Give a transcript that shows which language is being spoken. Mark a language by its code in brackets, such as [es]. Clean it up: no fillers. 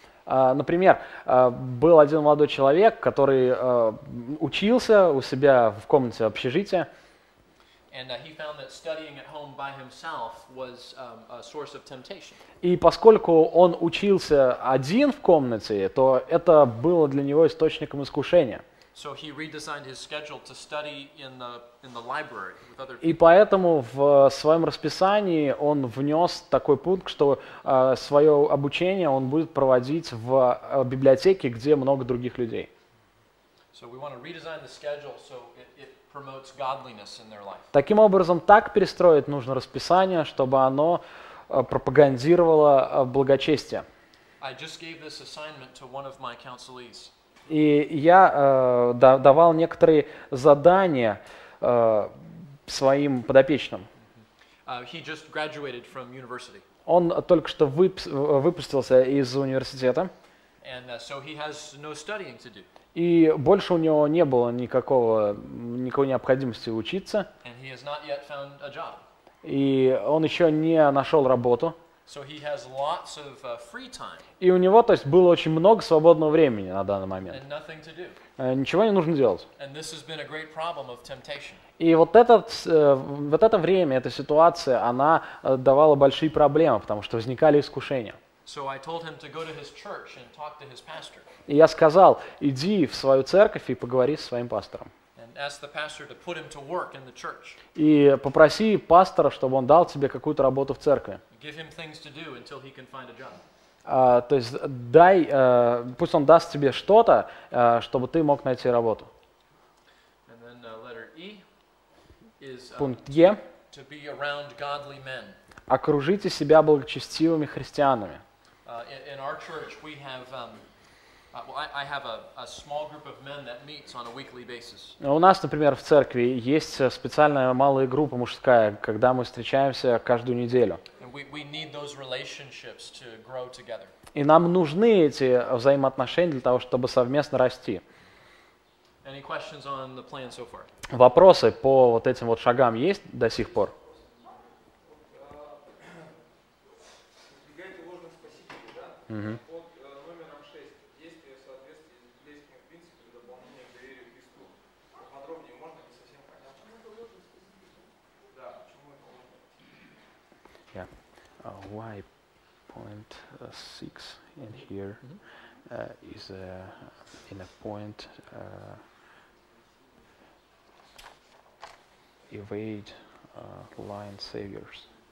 [ru] Например, был один молодой человек, который учился у себя в комнате общежития. [en] And he found that studying at home by himself was a source of temptation. [ru] И поскольку он учился один в комнате, то это было для него источником искушения. [en] So he redesigned his schedule to study in the library with other people. [ru] И поэтому в своем расписании он внес такой пункт, что свое обучение он будет проводить в библиотеке, где много других людей. [en] So we want to redesign the schedule so it promotes godliness in their life. [ru] Таким образом, так перестроить нужно расписание, чтобы оно пропагандировало благочестие. [en] I just gave this assignment to one of my counselees. [ru] И я давал некоторые задания своим подопечным. [en] He just graduated from university. [ru] Он только что выпустился из университета. [en] And, so he has no studying to do. [ru] И больше у него не было никакой необходимости учиться. [en] And he has not yet found a job. [ru] И он еще не нашел работу. [en] So he has lots of free time. [ru] И у него, то есть, было очень много свободного времени на данный момент. [en] And nothing to do. [ru] Ничего не нужно делать. [en] And this has been a great problem of temptation. [ru] И вот это время, эта ситуация, она давала большие проблемы, потому что возникали искушения. [en] So I told him to go to his church and talk to his pastor. [ru] И я сказал: иди в свою церковь и поговори со своим пастором. [en] And ask the pastor to put him to work in the church. [ru] И попроси пастора, чтобы он дал тебе какую-то работу в церкви. [en] Give him things to do until he can find a job. [ru] То есть дай, пусть он даст тебе что-то, чтобы ты мог найти работу. [en] And then letter E is to be around godly men. [ru] Окружите себя благочестивыми христианами. [en] In our church we have I have a small group of men that meets on a weekly basis. [ru] У нас, например, в церкви есть специальная малая группа мужская, когда мы встречаемся каждую неделю. [en] We need those relationships to grow together. [ru] И нам нужны эти взаимоотношения для того, чтобы совместно расти. [en] Any questions on the plan so far? [ru] Вопросы по вот этим вот шагам есть до сих пор? Избегайте ложных спасителей, да? Uh-huh. Под номером 6 есть соответствие с библейскими принципами дополнения к доверию к Христу. Подробнее можно, не совсем понятно. Почему это ложный спаситель? Да, почему это ложный? [en] Yeah. Why point six in here? Mm-hmm. is in a point evade line saviors.